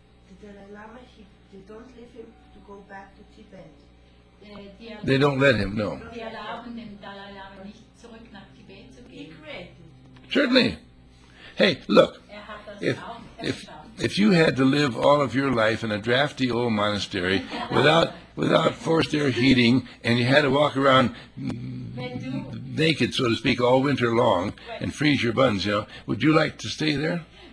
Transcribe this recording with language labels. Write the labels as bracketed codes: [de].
[en] The Dalai Lama, they don't leave him to go back to Tibet. They don't let him, no. [de] Die erlauben dem Dalai Lama nicht zurück nach Tibet zu gehen. [en] He created. Certainly. Hey, look, if you had to live all of your life in a drafty old monastery without forced air heating, and you had to walk around naked, so to speak, all winter long and freeze your buns, you know, would you like to stay there?